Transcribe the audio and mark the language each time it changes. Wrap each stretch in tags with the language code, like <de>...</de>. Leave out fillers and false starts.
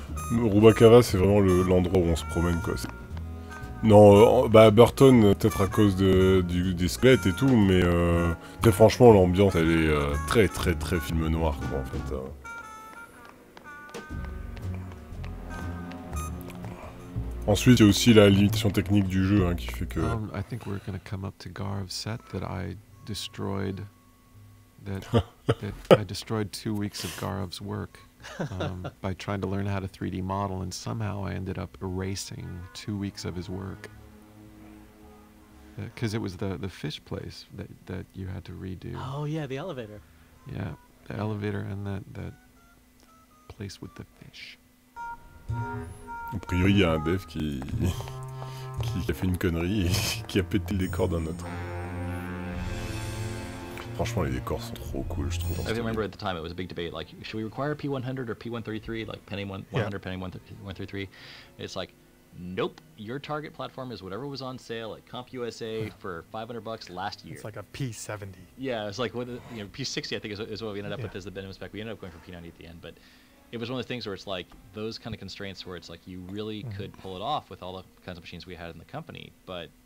<fr>Rubakava, c'est vraiment l'endroit où on se promène, quoi. C'est... Non, bah Burton, peut-être à cause des squelettes et tout, mais très franchement, l'ambiance, elle est très très très film noir, quoi, en fait. Ensuite, il y a aussi la limitation technique du jeu, hein, qui fait que...</fr> <en>I think we're gonna come up to Garv's set that I destroyed... That I destroyed 2 weeks of Garv's work. by trying to learn how to 3D model, and somehow I ended up erasing 2 weeks of his work. Because it was the fish place that you had to redo. Oh yeah, the elevator. Yeah, the elevator and that place with the fish.</en> <fr>A priori, il y a un dev qui a fait une connerie et qui a pété le décor d'un autre. Franchement, les décors sont trop cool, je trouve.</fr> <en>I remember at the time it was a big debate, like, should we require P100 or P133, like Penny 100, Penny 133. It's like, nope, your target platform is whatever was on sale at CompUSA for $500 last year. It's like a P70. Yeah, it's like, P60, I think, is what we ended up with as the minimum spec. We ended up going for P90 at the end, but it was one of those things where it's like, those kind of constraints where it's like, you really could pull it off with all the kinds of machines we had in the company, but</en>